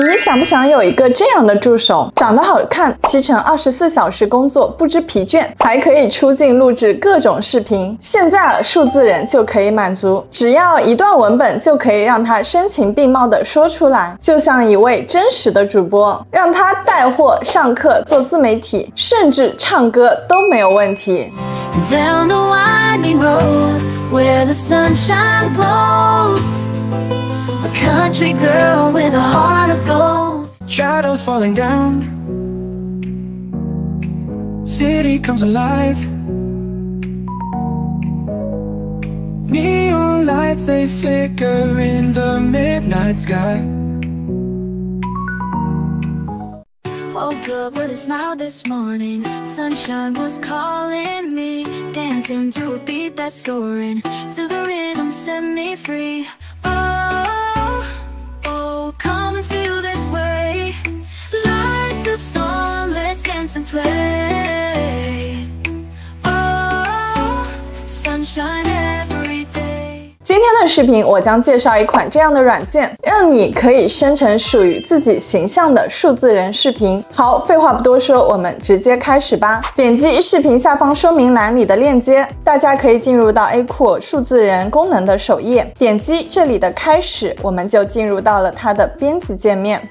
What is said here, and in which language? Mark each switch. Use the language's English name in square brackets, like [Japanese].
[Chinese] 你想不想有一个这样的助手，长得好看，七乘二十四小时工作不知疲倦，还可以出镜录制各种视频？现在数字人就可以满足，只要一段文本就可以让他声情并茂地说出来，就像一位真实的主播，让他带货、上课、做自媒体，甚至唱歌都没有问题。 [English] Down the winding road where the sunshine glows. Country girl with a heart of gold. Shadows falling down. City comes alive. Neon lights they flicker in the midnight sky. Woke up with a smile this morning. Sunshine was calling me. Dancing to a beat that's soaring. Feel the rhythm set me free. Oh, come and feel this way. Life's a song, let's dance and play. Oh, sunshine every day. [Chinese] 今天的视频我将介绍一款这样的软件，让你可以生成属于自己形象的数字人视频。好，废话不多说，我们直接开始吧。点击视频下方说明栏里的链接，大家可以进入到 Acool 数字人功能的首页，点击这里的开始，我们就进入到了它的编辑界面。